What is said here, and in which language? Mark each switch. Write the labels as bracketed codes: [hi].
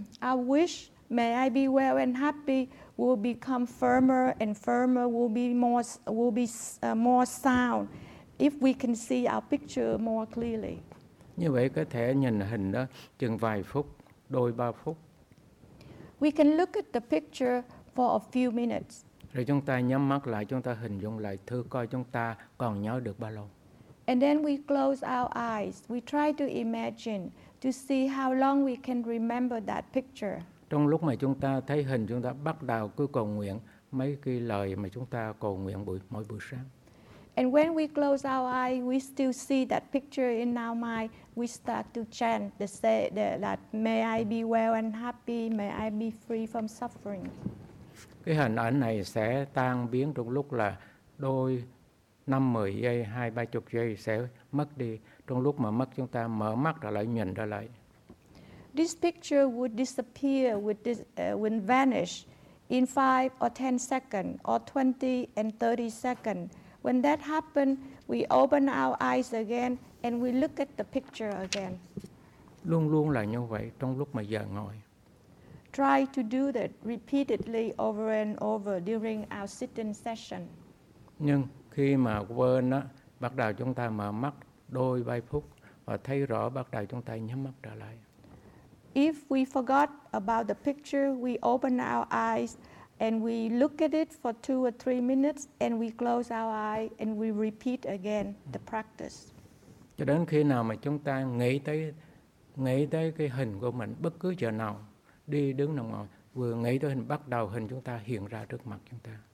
[en] Our wish, may I be well and happy, will become firmer and firmer, will be more sound if we can see our picture more clearly. [vi] Như vậy có thể nhìn hình đó chừng vài phút, đôi ba phút. [en] We can look at the picture for a few minutes. [vi] Rồi chúng ta nhắm mắt lại, chúng ta hình dung lại thử coi chúng ta còn nhớ được bao lâu. [en] And then we close our eyes. We try to imagine to see how long we can remember that picture. [vi] Trong lúc mà chúng ta thấy hình, chúng ta bắt đầu cứ cầu nguyện mấy cái lời mà chúng ta cầu nguyện mỗi buổi sáng. [en] And when we close our eyes, we still see that picture in our mind. We start to chant that may I be well and happy, may I be free from suffering. [vi] Cái hình ảnh này sẽ tan biến trong lúc là đôi 5-10 giây, 20-30 giây sẽ mất đi. Trong lúc mà mất, chúng ta mở mắt ra lại, nhìn ra lại. [en] This picture would disappear, would vanish in 5 or 10 seconds or 20 and 30 seconds. When that happened, we open our eyes again and we look at the picture again. [vi] Luôn luôn là như vậy trong lúc mà giờ ngồi. [en] Try to do that repeatedly over and over during our sitting session. [vi] Nhưng khi mà quên á, bắt đầu chúng ta mở mắt đôi vài phút và thấy rõ, bắt đầu chúng ta nhắm mắt trở lại. [en] If we forgot about the picture, we open our eyes and we look at it for 2 or 3 minutes and we close our eyes and we repeat again the practice. [vi] Cho đến khi nào mà chúng ta nghĩ tới cái hình của mình, bất cứ giờ nào, đi đứng nằm ngồi, vừa nghĩ tới hình, bắt đầu hình chúng ta hiện ra trước mặt chúng ta.